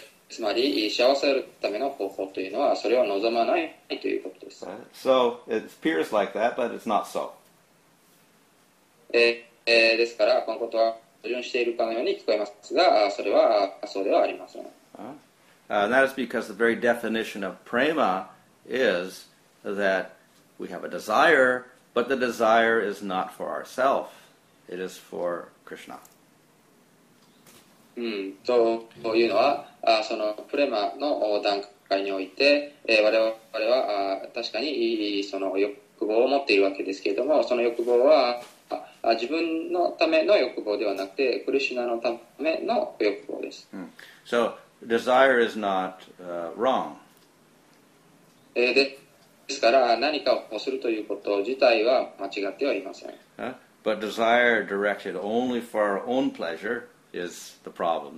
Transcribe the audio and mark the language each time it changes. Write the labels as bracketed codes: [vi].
[ja] つまり、幸せるための方法というのはそれを望まないということです。 [en] So it appears like that, but it's not so. [ja] ですから、このことは矛盾しているかのように聞こえますが、それはそうではありません。 [en] That is because the very definition of prema is that we have a desire, but the desire is not for ourselves; it is for Krishna. [ja] というのは、そのプレマの段階において、我々は確かにその欲望を持っているわけですけれども、その欲望は自分のための欲望ではなくて、クリシュナのための欲望です。 [en] So,desire is not wrong. [ja] ですから何かをするということ自体は間違ってはいません。 [en] But desire directed only for our own pleasure is the problem.